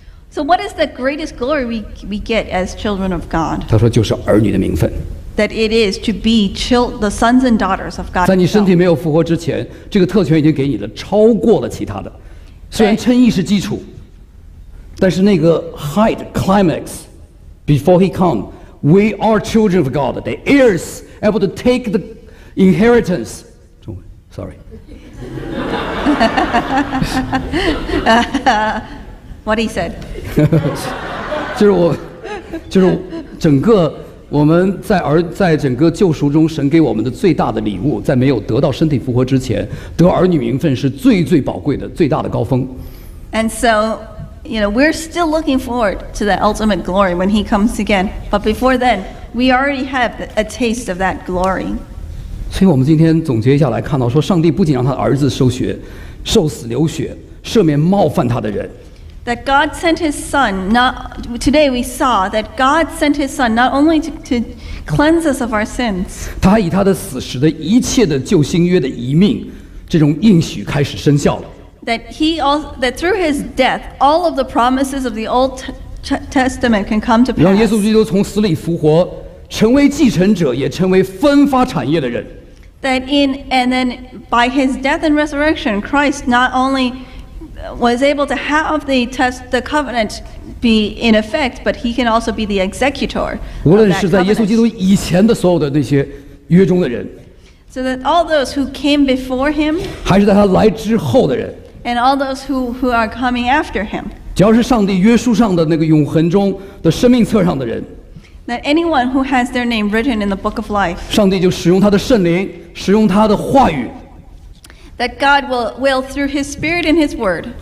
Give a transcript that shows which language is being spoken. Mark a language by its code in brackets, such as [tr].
[en] So what is the greatest glory we get as children of God? [zh] 他说就是儿女的名分。 [en] That it is to be the sons and daughters of God. [zh] 在你身体没有复活之前，这个特权已经给你了，超过了其他的。虽然称义是基础，但是那个 [en] height climax before he come, we are children of God, the heirs able to take the inheritance. 中文 ，sorry. What he said. [zh] 就是整个我们在整个救赎中神给我们的最大的礼物在没有得到身体复活之前得儿女名分是最最宝贵的最大的高峰 [en] And so, you know, we're still looking forward to the ultimate glory when he comes again. But before then, we already have a taste of that glory. [zh] 所以我们今天总结一下来看到说上帝不仅让他儿子受死流血赦免冒犯他的人 [en] That God sent his son, not, today we saw that God sent his son not only to cleanse us of our sins. [zh] 他以他的死时的一切的旧新约的遗命，这种应许开始生效了。 [en] That through his death, all of the promises of the Old Testament can come to pass. [zh] 让耶稣基督从死里复活，成为继承者，也成为分发产业的人。 [en] That in, and then by his death and resurrection, Christ not only was able to have the covenant be in effect, but he can also be the executor. [zh] 无论是在耶稣基督以前的所有的那些约中的人 [en] ，so that all those who came before him， [zh] 还是在他来之后的人 [en] ，and all those who are coming after him， [zh] 只要是上帝约束上的那个永恒中的生命册上的人 [en] ，that anyone who has their name written in the book of life， [zh] 上帝就使用他的圣灵，使用他的话语。 [en] That God will through His Spirit and His Word,